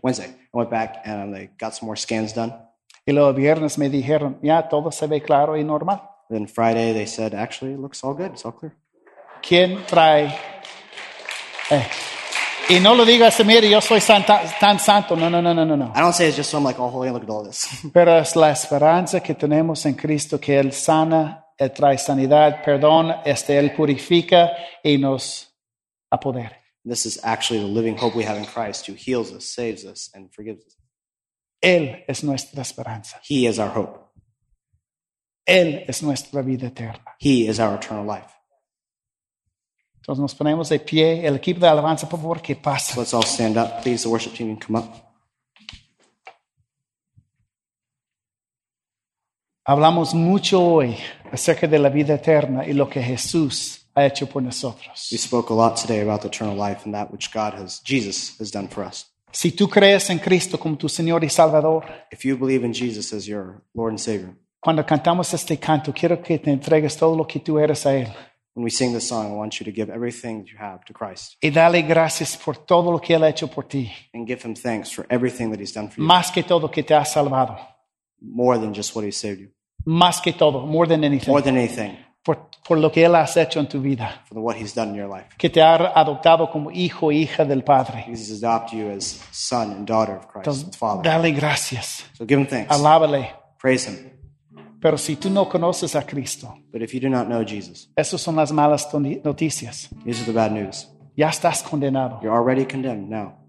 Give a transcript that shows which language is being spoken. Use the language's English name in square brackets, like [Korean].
[English] I went back and they got some more scans done. [Spanish] Y luego viernes me dijeron, ya todo se ve claro y normal. [English] Then Friday they said, actually, it looks all good. It's all clear. [Spanish] ¿Quién trae? Y no lo digo así, mire, yo soy tan santo. No. [English] I don't say it's just so I'm like, oh, holy, look at all this. [Spanish] Pero es la esperanza que tenemos en Cristo, que Él sana, Él trae sanidad, perdón, Él purifica y nos apodera. [English] This is actually the living hope we have in Christ who heals us, saves us, and forgives us. [Spanish] Él es nuestra esperanza. [English] He is our hope. [Spanish] Él es nuestra vida eterna. [English] He is our eternal life. [Spanish] Entonces nos ponemos de pie. El equipo de alabanza, por favor, que pase. [English] Let's all stand up. Please, the worship team, come up. [Spanish] Hablamos mucho hoy acerca de la vida eterna y lo que Jesús ha hecho por nosotros. [English] We spoke a lot today about the eternal life and that which Jesus has done for us. [Spanish] Si tú crees en Cristo como tu Señor y Salvador, [English] if you believe in Jesus as your Lord and Savior, [Spanish] cuando cantamos este canto, quiero que te entregues todo lo que tú eres a Él. [English] When we sing this song, I want you to give everything you have to Christ. [Spanish] Y dale gracias por todo lo que Él ha hecho por ti. [English] And give Him thanks for everything that He's done for you. [Spanish] Más que todo que te ha salvado. [English] More than just what He saved you. [Spanish] Más que todo, [English] more than anything. More than anything. [Spanish] Por lo que Él ha hecho en tu vida. [English] For what He's done in your life. [Spanish] Que te ha adoptado como hijo e hija del Padre. [English] He's adopted you as son and daughter of Christ, [Spanish] Entonces, [English] the Father. [Spanish] Dale gracias. [English] So give Him thanks. [Spanish] Alábale. [English] Praise Him. [Spanish] Pero si tú no conoces a Cristo, [English] but if you do not know Jesus, [Spanish] esas son las malas noticias. [English] These are the bad news. [Spanish] Ya estás condenado. [English] You're already condemned now.